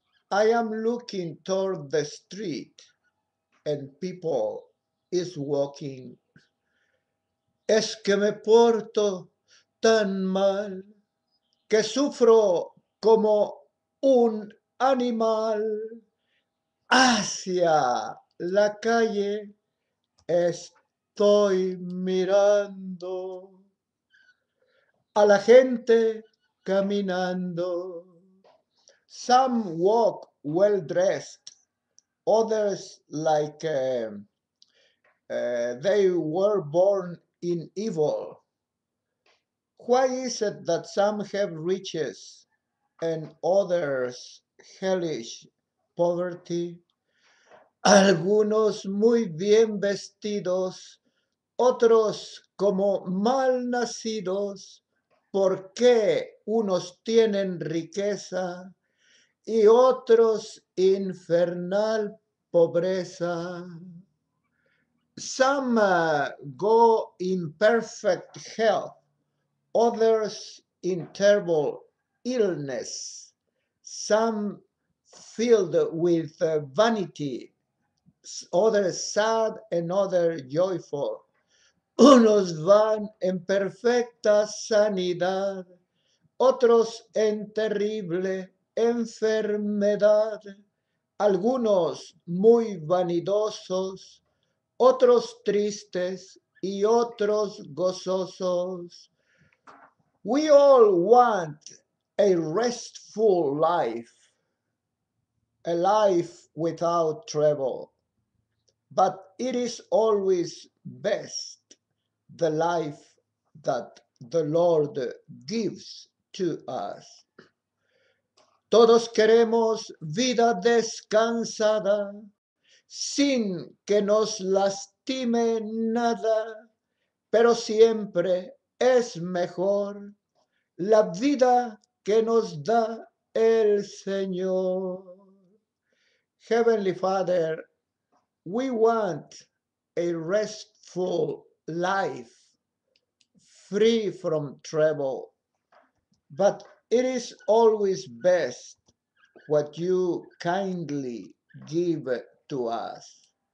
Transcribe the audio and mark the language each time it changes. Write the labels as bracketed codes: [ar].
[en] I am looking toward the street and people is walking. [es] Es que me porto tan mal que sufro como un animal. Hacia la calle estoy mirando. A la gente caminando. [en] Some walk well dressed, others like they were born in evil. Why is it that some have riches and others hellish poverty? [es] Algunos muy bien vestidos, otros como mal nacidos. ¿Por qué unos tienen riqueza y otros infernal pobreza? [en] Some go in perfect health, others in terrible illness. Some filled with vanity, others sad and others joyful. [es] Unos van en perfecta sanidad, otros en terrible enfermedad. Algunos muy vanidosos, otros tristes y otros gozosos. [en] We all want a restful life, a life without trouble, but it is always best. The life that the Lord gives to us. [es] Todos queremos vida descansada, sin que nos lastime nada, pero siempre es mejor la vida que nos da el Señor. [en] Heavenly Father, we want a restful life, free from trouble, but it is always best what you kindly give to us.